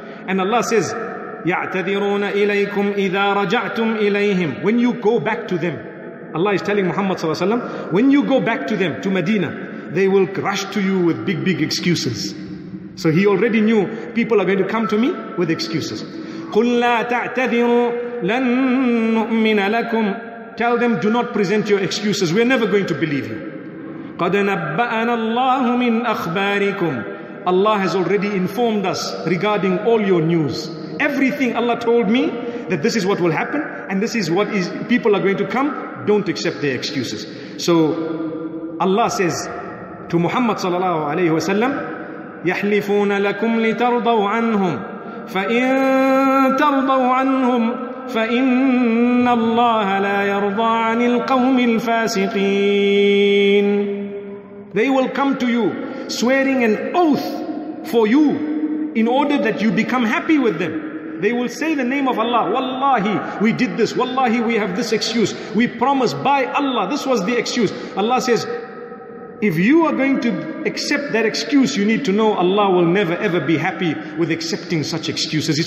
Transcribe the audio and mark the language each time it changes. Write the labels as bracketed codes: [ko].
[en] And Allah says, [ar] يَعْتَذِرُونَ إِلَيْكُمْ إِذَا رَجَعْتُمْ إِلَيْهِمْ. [en] When you go back to them, Allah is telling Muhammad sallallahu alayhi wa sallam, when you go back to them, to Medina, they will rush to you with big, big excuses. So he already knew people are going to come to me with excuses. [ar] قُلْ لَا تَعْتَذِرُوا لَن نُؤْمِنَ لَكُمْ. [en] Tell them, do not present your excuses. We are never going to believe you. [ar] قَدْ نَبَّأَنَا اللَّهُ مِنْ أَخْبَارِكُمْ. [en] Allah has already informed us regarding all your news. Everything Allah told me, that this is what will happen, and this is what is people are going to come, don't accept their excuses. So Allah says to Muhammad sallallahu alayhi wa sallam, [ar] يَحْلِفُونَ لَكُمْ لِتَرْضَوْا عَنْهُمْ فَإِن تَرْضَوْا عَنْهُمْ فَإِنَّ اللَّهَ لَا يَرْضَى عَنِ الْقَوْمِ الْفَاسِقِينَ. [en] They will come to you swearing an oath for you in order that you become happy with them. They will say the name of Allah, wallahi, we did this, wallahi, we have this excuse. We promise by Allah, this was the excuse. Allah says, if you are going to accept that excuse, you need to know Allah will never ever be happy with accepting such excuses.